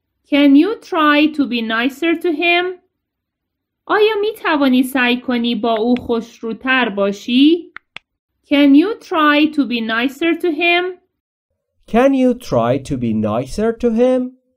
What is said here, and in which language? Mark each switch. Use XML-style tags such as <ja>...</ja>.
<en>Can you try to be nicer to him?</en> <fa>آیا می توانی سعی کنی با او خوشروتر باشی؟</fa> <en>Can you try to be nicer to him? Can you try to be nicer to him?</en>